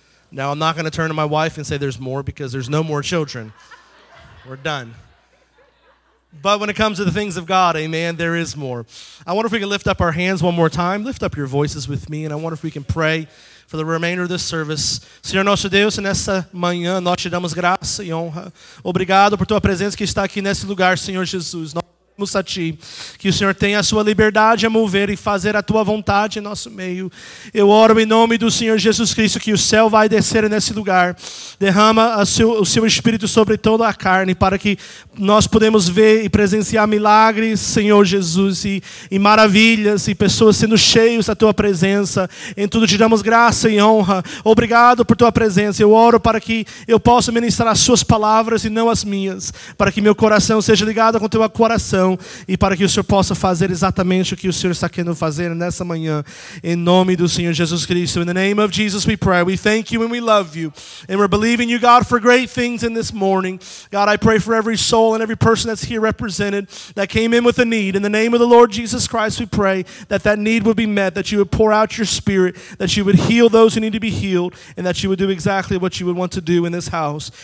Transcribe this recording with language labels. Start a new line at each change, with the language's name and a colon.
English: Now, I'm not going to turn to my wife and say there's more, because there's no more children. We're done. But when it comes to the things of God, amen, there is more. I wonder if we can lift up our hands one more time. Lift up your voices with me, and I wonder if we can pray for the remainder of this service.
Portuguese: Senhor nosso Deus, nesta manhã, nós te damos graça e honra. Obrigado por tua presença que está aqui nesse lugar, Senhor Jesus. A ti, que o Senhor tenha a sua liberdade a mover e fazer a tua vontade em nosso meio. Eu oro em nome do Senhor Jesus Cristo, que o céu vai descer nesse lugar. Derrama o seu Espírito sobre toda a carne, para que nós podemos ver e presenciar milagres, Senhor Jesus, e maravilhas, e pessoas sendo cheios da tua presença. Em tudo te damos graça e honra. Obrigado por tua presença. Eu oro para que eu possa ministrar as suas palavras e não as minhas, para que meu coração seja ligado com teu coração, e para que o Senhor possa fazer exatamente o que o Senhor está querendo fazer nessa manhã, em nome do Senhor Jesus Cristo.
English: In the name of Jesus we pray. We thank you and we love you. And we're believing you, God, for great things in this morning. God, I pray for every soul and every person that's here represented that came in with a need. In the name of the Lord Jesus Christ, we pray that that need would be met, that you would pour out your spirit, that you would heal those who need to be healed, and that you would do exactly what you would want to do in this house.